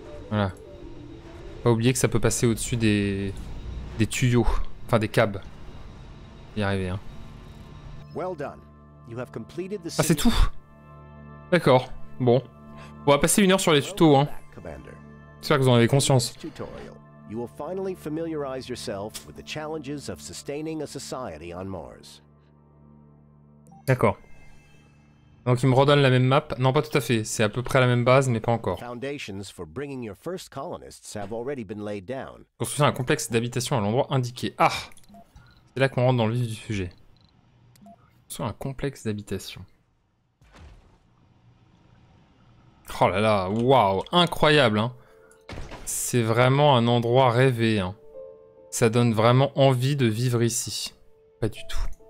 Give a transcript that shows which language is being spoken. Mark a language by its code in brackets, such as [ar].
[fr] Voilà. Pas oublier que ça peut passer au-dessus des tuyaux. Enfin des câbles. Y arriver hein. [en] Well done. You have completed the... [fr] Ah c'est tout. D'accord. Bon. On va passer une heure sur les tutos hein. J'espère que vous en avez conscience. [en] You will finally familiarize yourself with the challenges of sustaining a society on Mars. [fr] D'accord. Donc il me redonne la même map. Non, pas tout à fait. C'est à peu près la même base, mais pas encore. [en] Foundations for bringing your first colonists have already been laid down. [fr] Construire un complexe d'habitation à l'endroit indiqué. Ah, c'est là qu'on rentre dans le vif du sujet. Construire un complexe d'habitation. Oh là là, waouh, incroyable hein. C'est vraiment un endroit rêvé hein. Ça donne vraiment envie de vivre ici. Pas du tout.